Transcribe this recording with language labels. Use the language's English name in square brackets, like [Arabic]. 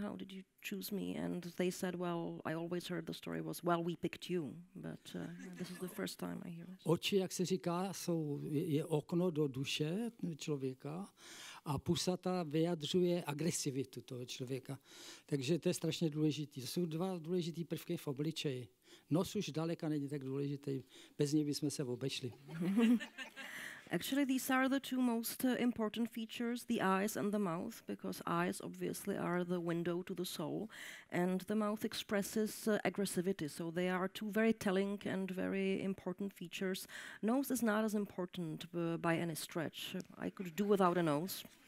[English] How did you choose me? And they said, well, I always heard the story was, well, we picked you. But this is the first time I hear it. [Czech] Oči, jak se říká, jsou, je okno do duše člověka. A pusa ta vyjadřuje agresivitu toho člověka. Takže to je strašně důležitý. To jsou dva důležitý prvky v obličeji. Nos už daleka není tak důležitý. Bez něj bychom se obešli. [English] Actually, these are the two most important features, the eyes and the mouth, because eyes obviously are the window to the soul, and the mouth expresses aggressivity. So they are two very telling and very important features. Nose is not as important by any stretch. I could do without a nose.